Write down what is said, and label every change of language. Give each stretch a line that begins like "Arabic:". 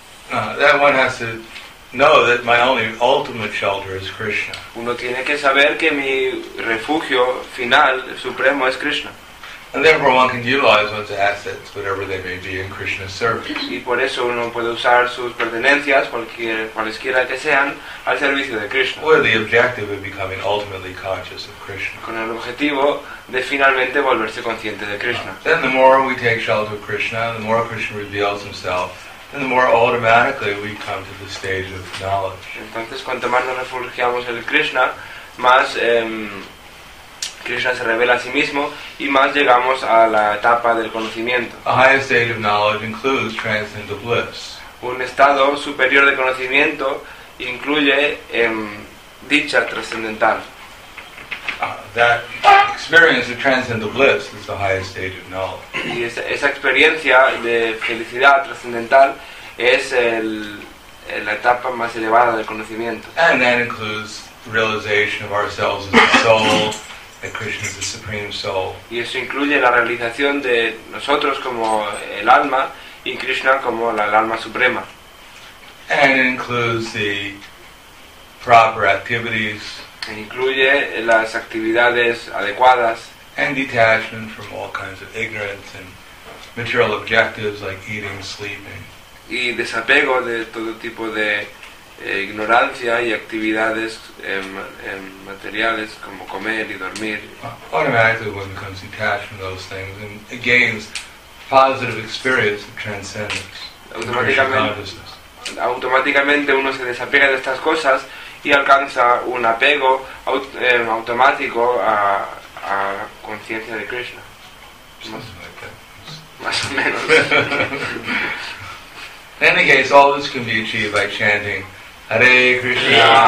English: That one has to know that my only ultimate shelter is Krishna.
Spanish: Uno tiene que saber que mi refugio final, supremo, es Krishna.
English: And therefore one can utilize one's assets, whatever they may be, in Krishna's service.
Spanish: Y por eso uno puede usar sus pertenencias, cualesquiera que sean, al servicio de Krishna.
English: With the objective of becoming ultimately conscious of Krishna.
Spanish: Con el objetivo de finalmente volverse consciente de Krishna.
English: Then the more we take shelter of Krishna, the more Krishna reveals himself, the more automatically we come to the stage of knowledge.
Spanish: Entonces, cuanto más nos refugiamos en Krishna, más Krishna se revela a sí mismo y más llegamos a la etapa del conocimiento.
English: A higher state of knowledge includes transcendental bliss.
Spanish: Un estado superior de conocimiento incluye dicha trascendental.
English: That experience of transcendental bliss is the highest stage of knowledge.
Spanish: Y esa experiencia de felicidad trascendental es la etapa más elevada del conocimiento.
English: And that includes realization of ourselves as a soul, that Krishna is the supreme soul.
Spanish: Y eso incluye la realización de nosotros como el alma y Krishna como el alma suprema.
English: And it includes the proper activities.
Spanish: E incluye las actividades adecuadas.
English: And detachment from all kinds of ignorance and material objectives like eating, sleeping.
Spanish: Y desapego de todo tipo de ignorancia y actividades materiales como comer y dormir.
English: Automatically one becomes detached from those things and gains positive experience of transcendence.
Spanish: Automáticamente uno se desapega de estas cosas y alcanza un apego automático a conciencia de Krishna. Más o menos.
English: In any case, all this can be achieved by chanting Hare Krishna,